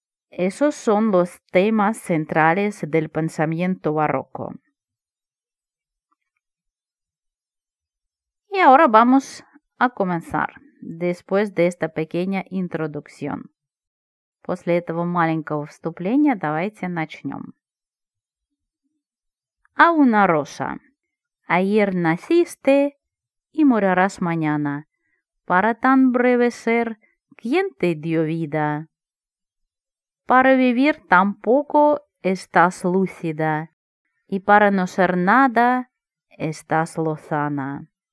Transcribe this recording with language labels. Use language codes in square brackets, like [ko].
[es] Esos son los temas centrales del pensamiento barroco. Y ahora vamos a comenzar, después de esta pequeña introducción. [ru] После этого маленького вступления давайте начнем. [es] A una rosa. Ayer naciste y morirás mañana. Para tan breve ser, ¿quién te dio vida? Para vivir tan poco estás lúcida. Y para no ser nada estás lozana.